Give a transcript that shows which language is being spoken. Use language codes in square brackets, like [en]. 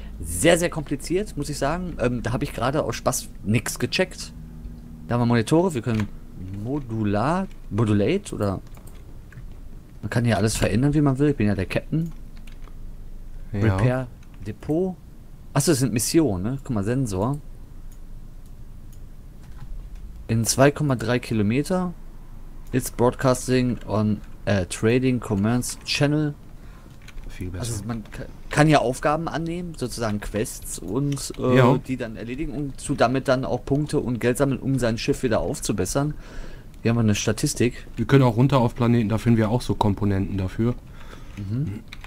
[de] Sehr, sehr kompliziert, muss ich sagen. Da habe ich gerade aus Spaß nichts gecheckt. Da haben wir Monitore. Wir können modulate oder... Man kann hier alles verändern, wie man will. Ich bin ja der Captain. Ja. [en] Repair Depot. [de] Achso, das sind Missionen, ne? Guck mal, Sensor. In 2,3 Kilometer. [en] It's broadcasting on a trading commerce channel. [de] Viel besser. Also man kann ja Aufgaben annehmen, sozusagen Quests und die dann erledigen und damit dann auch Punkte und Geld sammeln, um sein Schiff wieder aufzubessern. Hier haben wir eine Statistik. Wir können auch runter auf Planeten, da finden wir auch so Komponenten dafür. Mhm.